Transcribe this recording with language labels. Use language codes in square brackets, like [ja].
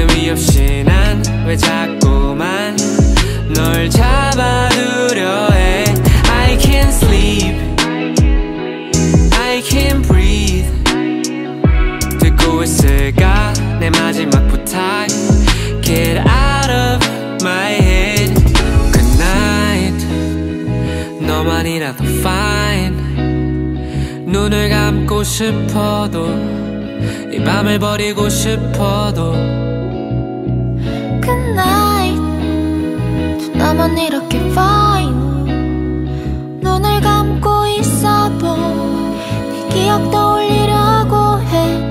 [ko] 없이 난 왜 자꾸만 널 잡아두려 해. [en] I can't sleep, I can't breathe. [ko] 듣고 있을까 내 마지막 부탁. [en] Get out of my head. Good night, [ko] 너만이라도 fine. 눈을 감고 싶어도 이 밤을 버리고 싶어도. [en] Good night, [ko] 나만 이렇게 fine. 눈을 감고 있어도 네 기억 떠올리려고 해.